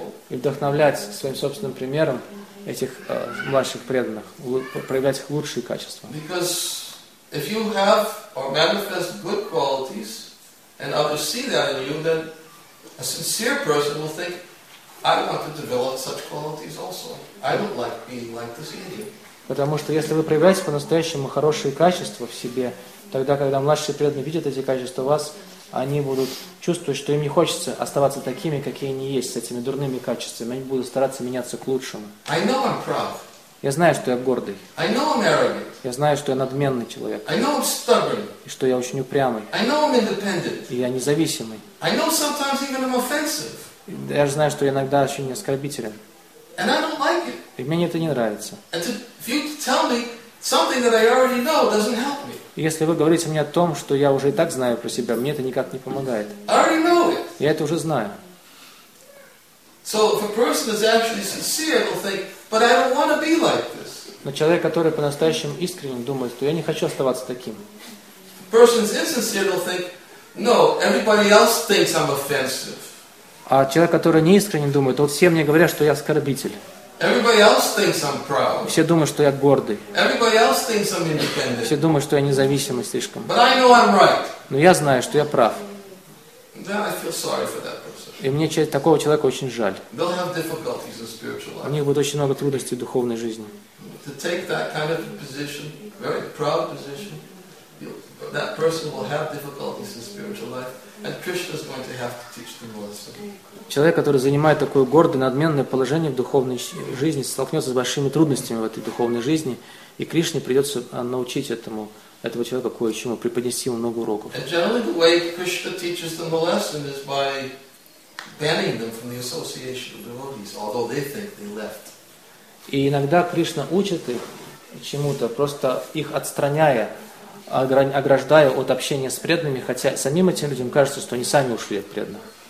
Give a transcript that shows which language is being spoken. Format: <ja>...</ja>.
<ru>И вдохновлять своим собственным примером этих младших преданных, проявлять их лучшие качества.</ru> <en>Because if you have or manifest good qualities and others see that in you, then a sincere person will think, I want to develop such qualities also. I don't like being like this idiot.</en> <ru>Потому что если вы проявляете по-настоящему хорошие качества в себе, тогда, когда младшие преданные видят эти качества в вас, они будут чувствовать, что им не хочется оставаться такими, какие они есть, с этими дурными качествами. Они будут стараться меняться к лучшему.</ru> <en>I know I'm proud.</en> <ru>Я знаю, что я гордый.</ru> <en>I know I'm arrogant.</en> <ru>Я знаю, что я надменный человек.</ru> <en>I know I'm stubborn.</en> <ru>И что я очень упрямый.</ru> <en>I know I'm independent.</en> <ru>И я независимый.</ru> <en>I know sometimes even I'm offensive.</en> <ru>Я же знаю, что я иногда очень оскорбителен.</ru> <en>And I don't like it.</en> <ru>И мне это не нравится.</ru> <en>And if you tell me something that I already know doesn't help me.</en> <ru>Если вы говорите мне о том, что я уже и так знаю про себя, мне это никак не помогает.</ru> <en>I already know it.</en> <ru>Я это уже знаю.</ru> <en>So if a person is actually sincere, they'll think, but I don't want to be like this.</en> <ru>Но человек, который по-настоящему искренен, думает, что я не хочу оставаться таким.</ru> <en>If a person is insincere, they'll think, no, everybody else thinks I'm offensive.</en> <ru>А человек, который неискренне думает, вот все мне говорят, что я оскорбитель.</ru> <en>Everybody else thinks I'm proud.</en> <ru>Все думают, что я гордый.</ru> <en>Everybody else thinks I'm independent.</en> <ru>Все думают, что я независимый слишком.</ru> <en>But I know I'm right.</en> <ru>Но я знаю, что я прав.</ru> <en>Then I feel sorry for that person.</en> <ru>И мне такого человека очень жаль.</ru> <en>They'll have difficulties in spiritual life.</en> <ru>У них будет очень много трудностей в духовной жизни.</ru> <en>To take that kind of position, very proud position, that person will have difficulties in spiritual life. And Krishna is going to have to teach them lesson.</en> <ru>Человек, который занимает такое гордое, надменное положение в духовной жизни, столкнется с большими трудностями в этой духовной жизни, и Кришне придется научить этого человека кое-чему, преподнести ему много уроков.</ru> <en>And generally, the way Krishna teaches them the lesson is by banning them from the association of devotees, although they think they left.</en> <ru>И иногда Кришна учит их чему-то, просто их отстраняя. Ограждая от общения с преданными, хотя самим этим людям кажется, что они сами ушли от преданных.</ru>